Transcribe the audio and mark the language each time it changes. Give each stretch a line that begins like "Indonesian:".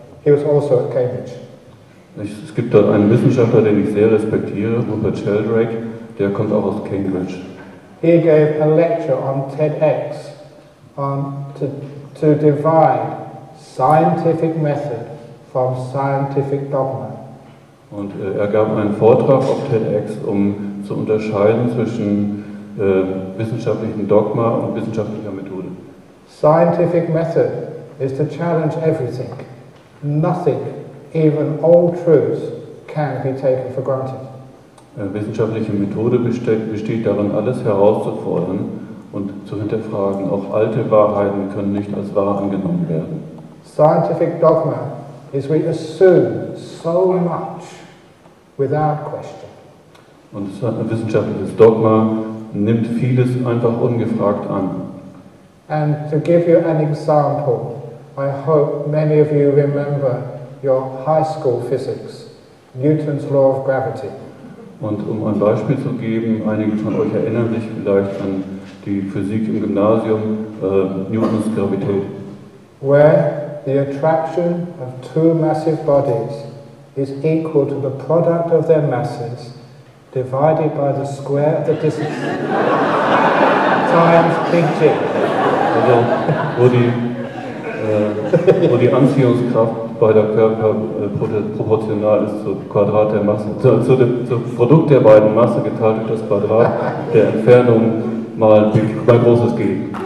English: He was also at Cambridge.
German: Es gibt da einen Wissenschaftler, den ich sehr respektiere, Rupert Sheldrake, der kommt auch aus Cambridge.
English: He gave a lecture on TEDx on to divide scientific method from scientific dogma.
German: Und er gab einen Vortrag auf TEDx, um zu unterscheiden zwischen wissenschaftlichem Dogma und wissenschaftlicher Methode.
English: Scientific method is to challenge everything. Nothing, even all truths, can be taken for granted.
German: Wissenschaftliche Methode besteht darin, alles herauszufordern und zu hinterfragen. Auch alte Wahrheiten können nicht als wahr angenommen werden.
English: Scientific dogma is we assume so much without question.
German: Und wissenschaftliches Dogma nimmt vieles einfach ungefragt an.
English: And to give you an example, I hope many of you remember your high school physics, Newton's law of gravity.
German: Und um ein Beispiel zu geben, einige von euch erinnern sich vielleicht an die Physik im Gymnasium, Newton's Gravität.
English: Where the attraction of two massive bodies is equal to the product of their masses divided by the square of the distance times big G.
German: Also, wo die Anziehungskraft beider Körper proportional ist zur Quadrat der Masse, zum Produkt der beiden Masse geteilt durch das Quadrat der Entfernung mal big, mal großes G.